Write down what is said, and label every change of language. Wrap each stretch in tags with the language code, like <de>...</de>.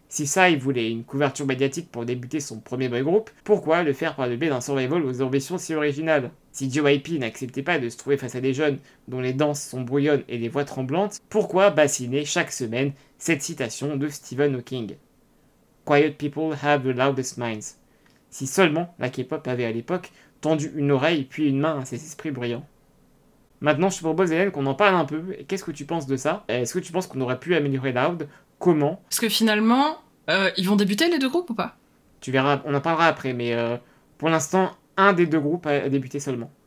<fr>Si Psy voulait une couverture médiatique pour débuter son premier boy group, pourquoi le faire par le biais d'un survival aux ambitions si originales ? Si JYP n'acceptait pas de se trouver face à des jeunes dont les danses sont brouillonnes et les voix tremblantes, pourquoi bassiner chaque semaine cette citation de Stephen Hawking ?</fr> <en>Quiet people have the loudest minds.</en> <fr>Si seulement la K-pop avait à l'époque tendu une oreille puis une main à ces esprits brillants. Maintenant, je te propose, Hélène, qu'on en parle un peu. Qu'est-ce que tu penses de ça ? Est-ce que tu penses qu'on aurait pu améliorer l'Aud ? Comment ? Parce que finalement, ils vont débuter les deux groupes ou pas ? Tu verras, on en parlera après, mais pour l'instant, un des deux groupes a débuté seulement.</fr>